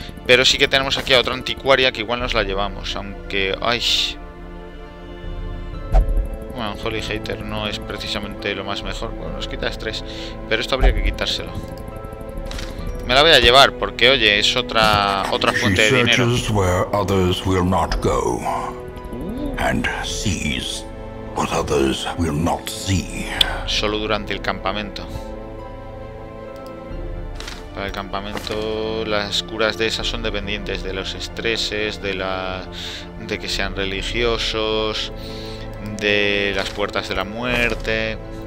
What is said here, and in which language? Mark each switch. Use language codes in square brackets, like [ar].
[es] Pero sí que tenemos aquí a otra anticuaria que igual nos la llevamos, aunque... ¡Ay! Bueno, Holy Hater no es precisamente lo más mejor. Bueno, nos quita estrés, pero esto habría que quitárselo. Me la voy a llevar porque, oye, es otra fuente de dinero. [en] Where others will not go, and sees what others will not see. [es] Solo durante el campamento. Para el campamento, las curas de esas son dependientes de los estreses, de que sean religiosos, de las puertas de la muerte.